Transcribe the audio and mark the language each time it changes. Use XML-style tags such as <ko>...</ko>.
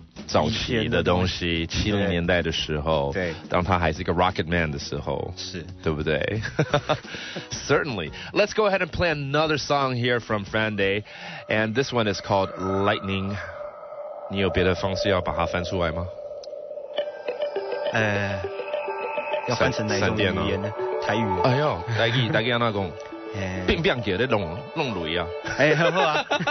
<zh>早期的东西，七零年代的时候，对，当他还是一个 Rocket Man 的时候，是，对不对？</zh> <en>Certainly, let's go ahead and play another song here from Friday, and this one is called Lightning.</en> <zh>你有别的方式要把它翻出来吗？要翻成哪种语言呢？台语。哎呦，台语要哪讲？并不想给你弄雷啊！哎，好啊！</zh>